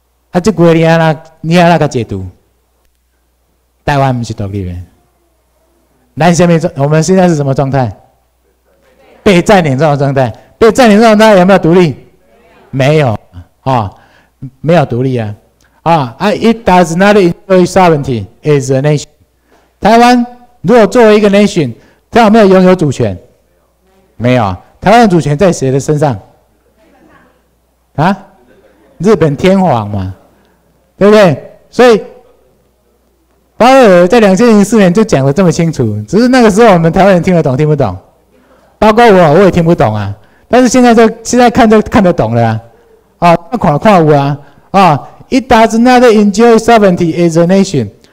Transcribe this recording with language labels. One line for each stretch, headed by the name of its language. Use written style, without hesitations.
Chinese: 啊，这句话你要那个解读，台湾不是独立的。我们现在是什么状态？被占领这种状态，被占领这种状态有没有独立？没有啊、哦，没有独立啊！
English: 啊 ，It does not enjoy sovereignty as a nation。台湾
Chinese: 如果作为一个 nation， 他有没有拥有主权？没有。台湾主权在谁的身上？啊，日本天皇嘛，对不对？所以巴赫尔在2004年就讲得这么清楚，只是那个时候我们台湾人听得懂听不懂，包括我也听不懂啊。但是现在看就看得懂了啊，看看有啊啊。
English: It does not enjoy sovereignty as a nation。